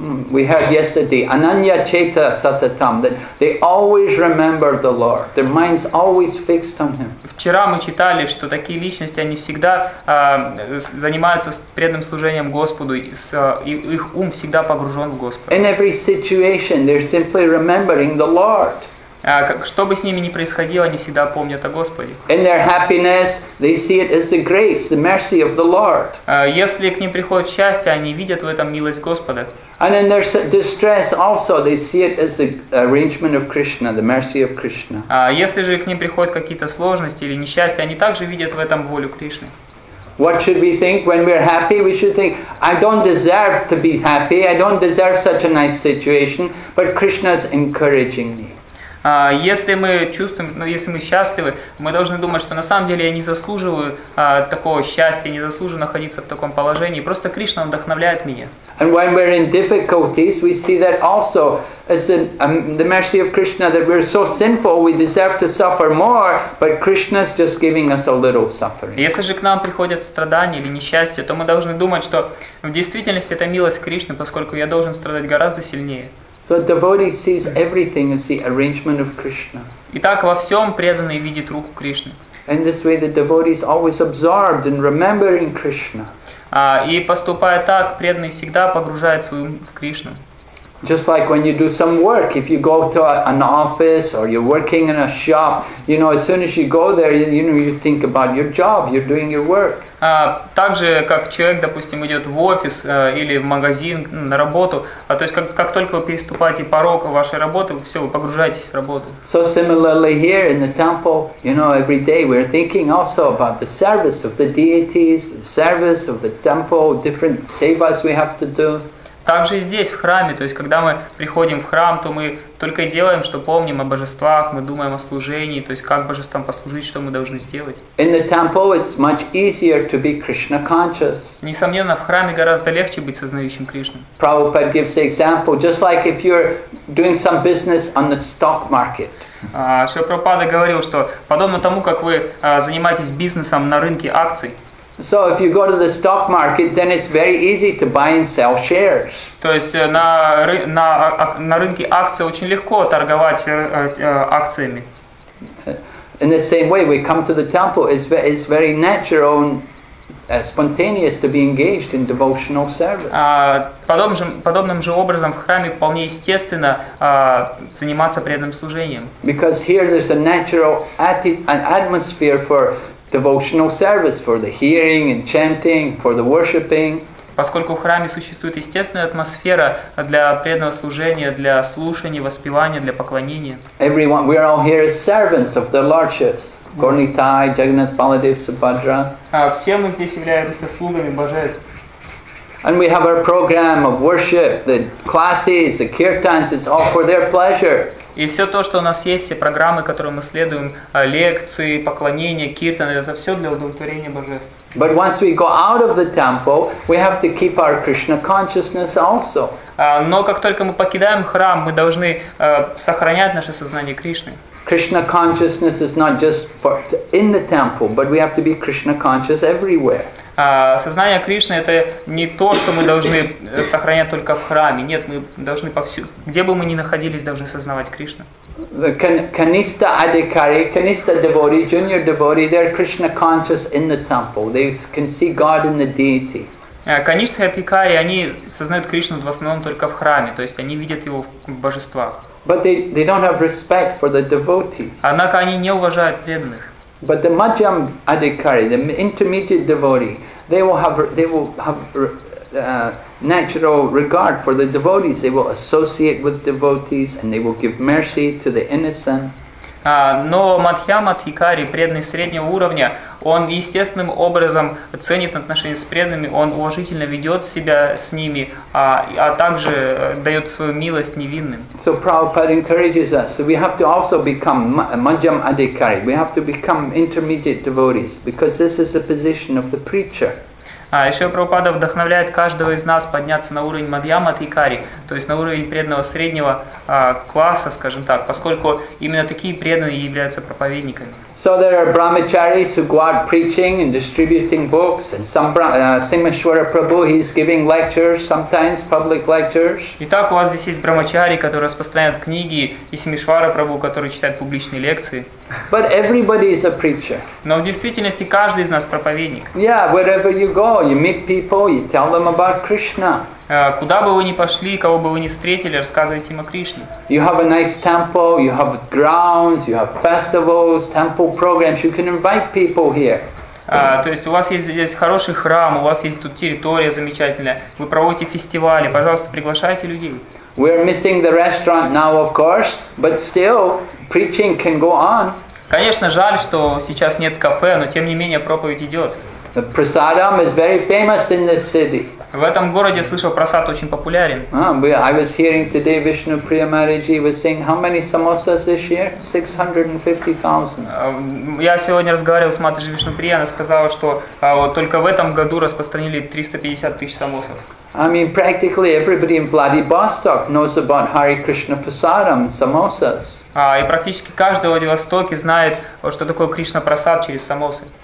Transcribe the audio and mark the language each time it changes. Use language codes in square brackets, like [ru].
[en] We heard yesterday, [sa] Ananya Cheta Satatam, [en] that they always remember the Lord. Their minds always fixed on Him. [ru] Вчера мы читали, что такие личности, они всегда занимаются преданным служением Господу, и их ум всегда погружен в Господа. [en] In every situation, they're simply remembering the Lord. [ru] Что бы с ними ни происходило, они всегда помнят о Господе. [en] In their happiness, they see it as the grace, the mercy of the Lord. [ru] Если к ним приходит счастье, они видят в этом милость Господа. [en] And in their distress also, they see it as the arrangement of Krishna, the mercy of Krishna. [ru] Если же к ним приходят какие-то сложности или несчастья, они также видят в этом волю Кришны. [en] What should we think when we're happy? We should think, I don't deserve to be happy, I don't deserve such a nice situation, but Krishna's encouraging me. [ru] Если мы чувствуем, если мы счастливы, мы должны думать, что на самом деле я не заслуживаю такого счастья, не заслуживаю находиться в таком положении. Просто Кришна вдохновляет меня. [en] And when we're in difficulties, we see that also as the mercy of Krishna, that we're so sinful, we deserve to suffer more, but Krishna's just giving us a little suffering. [ru] Если же к нам приходят страдания или несчастья, то мы должны думать, что в действительности это милость Кришны, поскольку я должен страдать гораздо сильнее. [en] So a devotee sees everything as the arrangement of Krishna. [ru] Итак, во всем преданный видит руку Кришны. [en] In this way, the devotee is always absorbed in remembering Krishna. [ru] И поступая так, преданный всегда погружает свою в Кришну. [en] Just like when you do some work, if you go to an office or you're working in a shop, you know, as soon as you go there, you know, you think about your job, you're doing your work. [ru] Так же, как человек, допустим, идет в офис или в магазин на работу, то есть как только вы переступаете порог вашей работы, все, вы погружаетесь в работу. [en] So similarly here in the temple, you know, every day we're thinking also about the service of the deities, the service of the temple, different sevas we have to do. [ru] Также и здесь, в храме, то есть когда мы приходим в храм, то мы только делаем, что помним о божествах, мы думаем о служении, то есть как божествам послужить, что мы должны сделать. [en] In the temple it's much easier to be Krishna conscious. [ru] Несомненно, в храме гораздо легче быть сознающим Кришну. [en] Prabhupada gives the example, just like if you're doing some business on the stock market. [ru] Шри Прабхупада говорил, что подобно тому, как вы занимаетесь бизнесом на рынке акций, [en] so if you go to the stock market, then it's very easy to buy and sell shares. [ru] То есть на рынке акций очень легко торговать акциями. [en] In the same way, we come to the temple. It's very natural and spontaneous to be engaged in devotional service. [ru] Подобным же образом в храме вполне естественно заниматься преданным служением. [en] Because here there's a natural atmosphere for devotional service, for the hearing and chanting, for the worshipping. [ru] Поскольку в храме существует естественная атмосфера для преданного служения, для слушания, воспевания, для поклонения. [en] Everyone, we are all here as servants of the lordships. Gornitai, Jagannath, Baladev, Subhadra. [ru] Все мы здесь являемся слугами божеств. [en] And we have our program of worship, the classes, the kirtans, it's all for their pleasure. [ru] И все то, что у нас есть, все программы, которые мы следуем, лекции, поклонения, киртаны, это все для удовлетворения божеств. [en] But once we go out of the temple, we have to keep our Krishna consciousness also. [ru] Но как только мы покидаем храм, мы должны сохранять наше сознание Кришны. [en] Krishna consciousness is not just in the temple, but we have to be Krishna conscious everywhere. [ru] Сознание Кришны – это не то, что мы должны сохранять только в храме. Нет, мы должны повсюду. Где бы мы ни находились, должны сознавать Кришну. [en] Kanista adhikari, kanista devotee, junior devotee, they're Krishna conscious in the temple. They can see God in the deity. [ru] Kanista adhikari, они сознают Кришну в основном только в храме. То есть они видят Его в божествах. [en] But they don't have respect for the devotees. [ru] Однако они не уважают преданных. [en] But the Madhyam Adhikari, the intermediate devotee, they will have natural regard for the devotees. They will associate with devotees and they will give mercy to the innocent. [ru] Но Madhyam Adhikari, преданный среднего уровня, он естественным образом ценит отношения с преданными, он уважительно ведет себя с ними, а также дает свою милость невинным. [en] So Prabhupada encourages us, so we have to also become Madhyam Adhikari, we have to become intermediate devotees, because this is the position of the preacher. [ru] А еще Прабхупада вдохновляет каждого из нас подняться на уровень Мадьяма Тхикари, то есть на уровень преданного среднего класса, скажем так, поскольку именно такие преданные являются проповедниками. [en] So there are brahmacharis who go out preaching and distributing books, and some Simhashwara Prabhu, he is giving lectures, sometimes public lectures. [ru] Итак, у вас здесь есть брахмачари, которые распространяют книги, и Симхешвара Прабху, который читает публичные лекции. [en] But everybody is a preacher. [ru] Но в действительности каждый из нас проповедник. [en] Yeah, wherever you go, you meet people, you tell them about Krishna. [ru] Куда бы вы ни пошли, кого бы вы ни встретили, рассказывайте им о Кришне. [en] You have a nice temple, you have grounds, you have festivals, temple programs. You can invite people here. [ru] То есть у вас есть здесь хороший храм, у вас есть тут территория замечательная. Вы проводите фестивали, пожалуйста, приглашайте людей. [en] We are missing the restaurant now, of course, but still preaching can go on. [ru] Конечно, жаль, что сейчас нет кафе, но тем не менее проповедь идет. [en] The prasadam is very famous in this city. [ru] В этом городе, слышал, просад очень популярен. [en] I was hearing today Vishnu Priya Maharaji was saying, how many samosas this year? 650,000. [ru] Я сегодня разговаривал с Матаджи Вишну Прия, она сказала, что вот только в этом году распространили 350 тысяч самосов. [en] I mean, practically everybody in Vladivostok knows about Hare Krishna Prasadam, samosas. [ru] И практически каждый в Владивостоке знает, что такое Кришна Прасад через самосы.